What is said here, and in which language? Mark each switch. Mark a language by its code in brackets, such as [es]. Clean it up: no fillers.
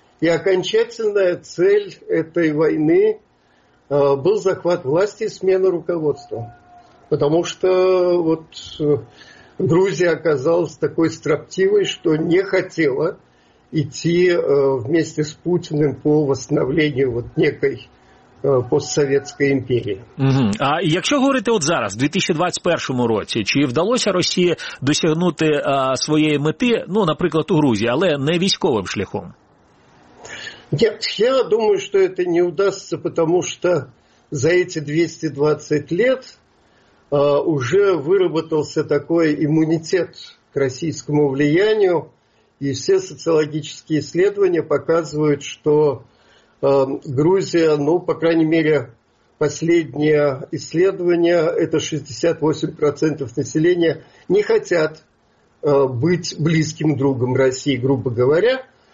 [ru] И окончательная цель этой войны был захват власти и смена руководства. Потому что вот Грузия оказалась такой строптивой, что не хотела идти вместе с Путиным по восстановлению вот некой [uk] постсоветської імперії. Угу. А якщо говорити от зараз, в 2021 році, чи вдалося Росії досягнути своєї мети, ну, наприклад, у Грузії, але не військовим шляхом? [ru] Нет, я думаю, что это не удастся, потому что за эти 220 лет уже выработался такой иммунитет к российскому влиянию, и все социологические исследования показывают, что Грузия, ну, по крайней мере, последнее исследование, это 68% населения, не хотят быть близким другом России, грубо говоря.